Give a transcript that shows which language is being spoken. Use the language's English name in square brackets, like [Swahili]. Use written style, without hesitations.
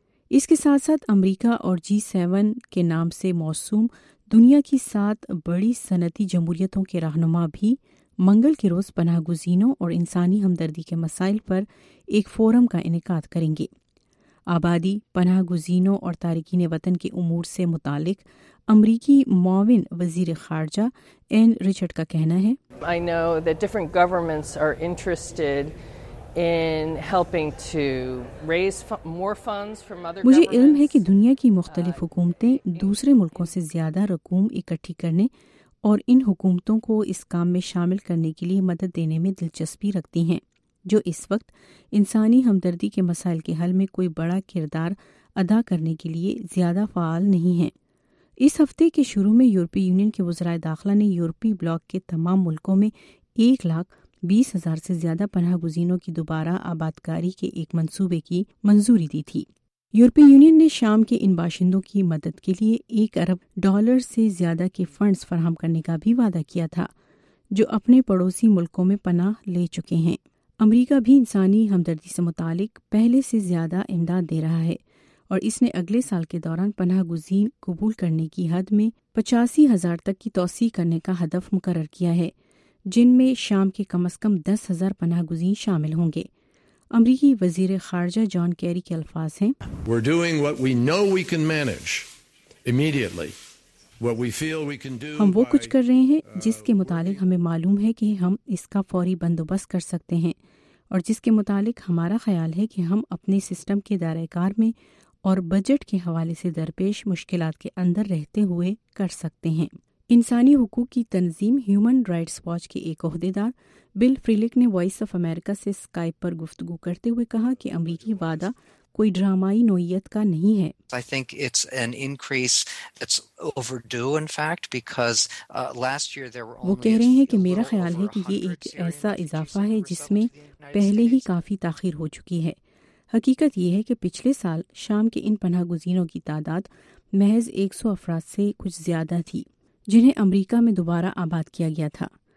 [Urdu] اس کے ساتھ ساتھ امریکہ اور G7 کے نام سے موسوم دنیا کی 7 بڑی صنعتی جمہوریتوں کے رہنما بھی منگل کے روز پناہ گزینوں اور انسانی ہمدردی کے مسائل پر ایک فورم کا انعقاد کریں گے. آبادی, پناہ گزینوں اور تارکین وطن کے امور سے متعلق امریکی معاون وزیر خارجہ این رچرڈ کا کہنا ہے [English] I know that different governments are interested in helping to raise more funds from other governments. [Urdu] مجھے علم ہے کہ دنیا کی مختلف حکومتیں دوسرے ملکوں سے زیادہ رقوم اکٹھی کرنے اور ان حکومتوں کو اس کام میں شامل کرنے کے لیے مدد دینے میں دلچسپی رکھتی ہیں جو اس وقت انسانی ہمدردی کے مسائل کے حل میں کوئی بڑا کردار ادا کرنے کے لیے زیادہ فعال نہیں ہیں۔ اس ہفتے کے شروع میں یورپی یونین کے وزرائے داخلہ نے یورپی بلاک کے تمام ملکوں میں 120,000 سے زیادہ پناہ گزینوں کی دوبارہ آبادکاری کے ایک منصوبے کی منظوری دی تھی۔ یورپی یونین نے شام کے ان باشندوں کی مدد کے لیے $1 ارب سے زیادہ کے فنڈز فراہم کرنے کا بھی وعدہ کیا تھا جو اپنے پڑوسی ملکوں میں پناہ لے چکے ہیں۔ امریکہ بھی انسانی ہمدردی سے متعلق پہلے سے زیادہ امداد دے رہا ہے اور اس نے اگلے سال کے دوران پناہ گزین قبول کرنے کی حد میں 85,000 تک کی توسیع کرنے کا ہدف مقرر کیا ہے جن میں شام کے کم از کم 10,000 پناہ گزین شامل ہوں گے۔ امریکی وزیر خارجہ جان کیری کے الفاظ ہیں [English] We're doing what we know we can manage immediately. What we feel we can do [Urdu] ہم وہ کچھ کر رہے ہیں جس کے متعلق ہمیں معلوم ہے کہ ہم اس کا فوری بندوبست کر سکتے ہیں اور جس کے متعلق ہمارا خیال ہے کہ ہم اپنے سسٹم کے دائرہ کار میں اور بجٹ کے حوالے سے درپیش مشکلات کے اندر رہتے ہوئے کر سکتے ہیں۔ انسانی حقوق کی تنظیم ہیومن رائٹس واچ کے ایک عہدیدار بل فریلک نے وائس آف امریکہ سے اسکائپ پر گفتگو کرتے ہوئے کہا کہ امریکی وعدہ کوئی ڈرامائی نوعیت کا نہیں ہے۔ [English] I think it's an increase, it's overdue in fact, because last year there were only [Urdu] وہ کہہ رہے ہیں کہ میرا خیال ہے کہ یہ ایک ایسا اضافہ ہے جس میں پہلے ہی کافی تاخیر ہو چکی ہے۔ حقیقت یہ ہے کہ پچھلے سال شام کے ان پناہ گزینوں کی تعداد محض 100 افراد سے کچھ زیادہ تھی جنہیں امریکہ میں دوبارہ آباد کیا گیا تھا۔